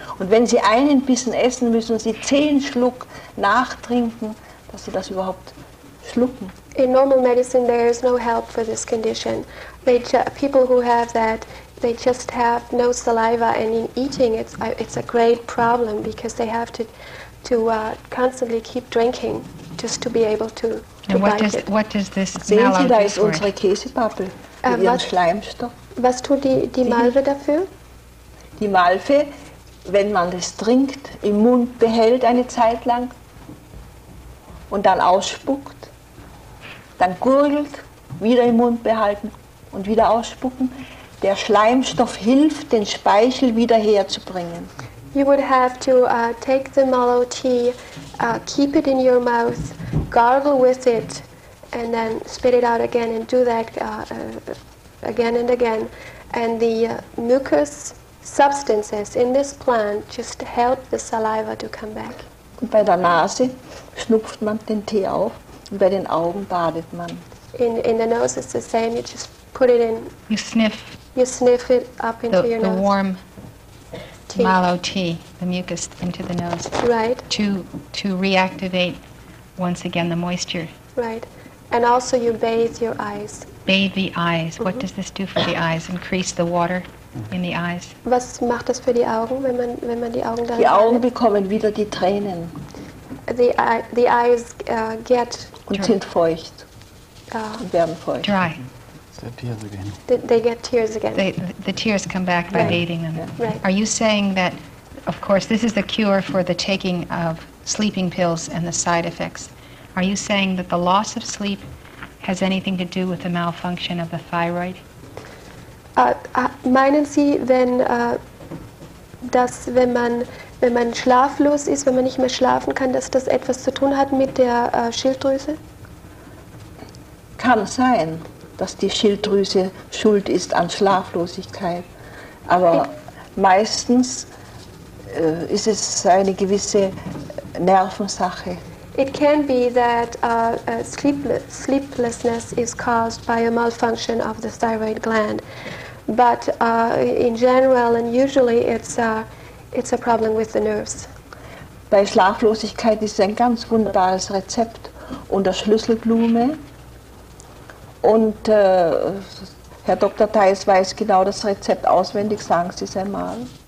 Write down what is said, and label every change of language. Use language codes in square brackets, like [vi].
[de] Und wenn sie einen Bissen essen, müssen sie 10 Schluck nachtrinken, dass sie das überhaupt schlucken. [en] In normal medicine there is no help for this condition. People who have that, they just have no saliva, and in eating it's a great problem, because they have to constantly keep drinking just to be able to bite it. And what does this mallow do for it? [de] Sehen Sie, da ist unsere Käsepappel mit ihrem Schleimstoff. Was tut die Malve dafür? Die Malve, wenn man das trinkt, im Mund behält eine Zeit lang und dann ausspuckt, dann gurgelt, wieder im Mund behalten und wieder ausspucken. Der Schleimstoff hilft, den Speichel wieder herzubringen. [en] You would have to take the mallow tea, keep it in your mouth, gargle with it and then spit it out again and do that again and again. And the mucus substances in this plant just help the saliva to come back. [de] Und bei der Nase schnupft man den Tee auf und bei den Augen badet man. [en] In the nose it's the same, you just put it in. You sniff it up into your nose. The warm tea. Mallow tea, the mucus into the nose. Right. To reactivate once again the moisture. Right. And also you bathe your eyes. Bathe the eyes. Mm-hmm. What does this do for the eyes? Increase the water in the eyes. [de] Was macht das für die Augen, wenn man die Augen da? Die Augen bekommen wieder die Tränen. [en] The eyes get [de] und sind feucht. Und werden feucht. [en] Dry. They get tears again. The tears come back by bathing them. Yeah. Right. Are you saying that, of course, this is the cure for the taking of sleeping pills and the side effects? Are you saying that the loss of sleep has anything to do with the malfunction of the thyroid? [de] Meinen Sie, wenn man schlaflos ist, wenn man nicht mehr schlafen kann, dass das etwas zu tun hat mit der Schilddrüse? Kann sein, dass die Schilddrüse schuld ist an Schlaflosigkeit. Aber meistens ist es eine gewisse Nervensache. [en] It can be that sleeplessness is caused by a malfunction of the thyroid gland, but in general and usually it's a problem with the nerves. [de] Bei Schlaflosigkeit ist ein ganz wunderbares Rezept unter Schlüsselblume. Und Herr Dr. Theis weiß genau das Rezept auswendig, sagen Sie es einmal.